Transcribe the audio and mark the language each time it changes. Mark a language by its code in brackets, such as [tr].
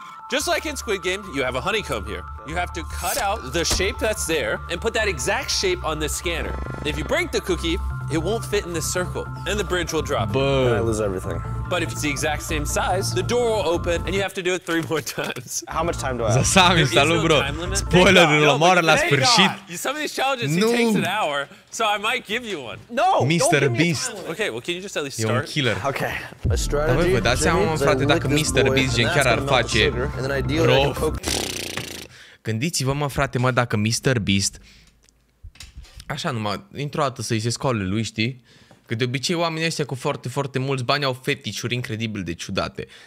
[en] Just like in Squid Game, you have a honeycomb here. You have to cut out the shape that's there and put that exact shape on the scanner. If you break the cookie, it won't fit in the circle and the bridge will drop. Boom. And I lose everything. But if it's the exact same size, the door will open and you have to do it 3 more times. How much time do I have? [ro] Zasami, salut, bro. Spoiler, îl omoară la sfârșit. [en] Some of these challenges, no. He takes an hour, so I might give you one. No, MrBeast. Okay, well, can you just at least start? [ro] E un killer. [en] Okay. A strategy. [ro] Dar voi vă dați seama, frate, dacă MrBeast gen chiar ar face... Bro. Gândiți-vă, mă, frate, mă, dacă MrBeast... Așa numai, dintr-o dată să-i se scoale lui, știi? Că de obicei oamenii ăștia cu foarte, foarte mulți bani au fetișuri incredibil de ciudate.